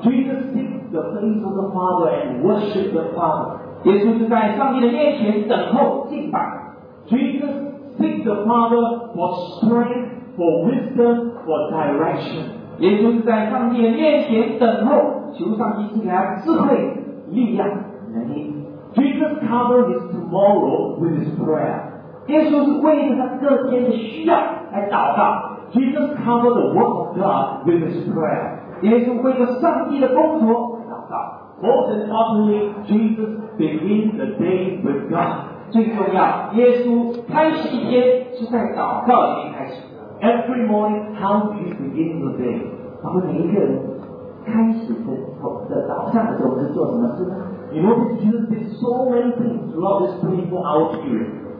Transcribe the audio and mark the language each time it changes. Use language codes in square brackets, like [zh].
[en] Jesus seek the face of the Father and worship the Father. [zh] 耶稣是在上帝的面前等候敬拜。 [en] Jesus seek the Father for strength, for wisdom, for direction. [zh] 耶稣是在上帝的面前等候，求上帝赐给他智慧、力量、能力。 [en] Jesus cover his tomorrow with his prayer. [zh] 耶稣是为了他这天的需要来祷告。 [en] Jesus covered the work of God with his prayer. [zh] 耶稣为了上帝的工作祷告。 [en] Most importantly, Jesus began the day with God. [zh] 最重要，耶稣开始一天是在祷告里面开始的。 [en] Every morning, how do you begin the day? [zh] 我们每一个人开始的早上的时候是做什么事呢？ [en] You know, Jesus did so many things throughout this 24-hour period.